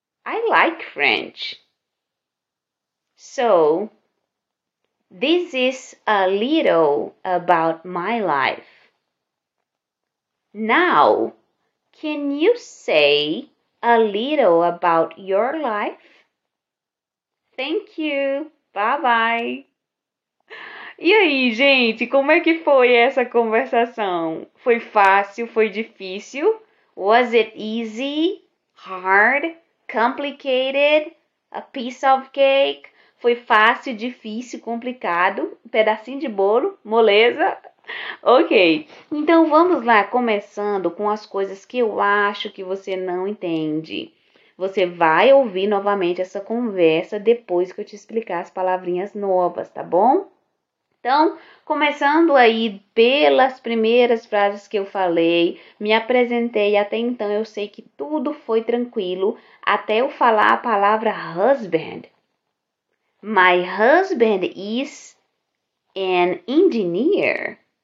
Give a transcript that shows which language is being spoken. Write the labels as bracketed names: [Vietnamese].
[English] I like French. So, this is a little about my life. Now, can you say a little about your life? Thank you. Bye bye. [Portuguese] E aí, gente, como é que foi essa conversação? Foi fácil? Foi difícil? [English] Was it easy? Hard? Complicated? A piece of cake? [Portuguese] Foi fácil, difícil, complicado? Um pedacinho de bolo? Moleza? Ok. Então vamos lá, começando com as coisas que eu acho que você não entende. Você vai ouvir novamente essa conversa depois que eu te explicar as palavrinhas novas, tá bom? Então, começando aí pelas primeiras frases que eu falei, me apresentei até então, eu sei que tudo foi tranquilo até eu falar a palavra husband. [English] My husband is an engineer.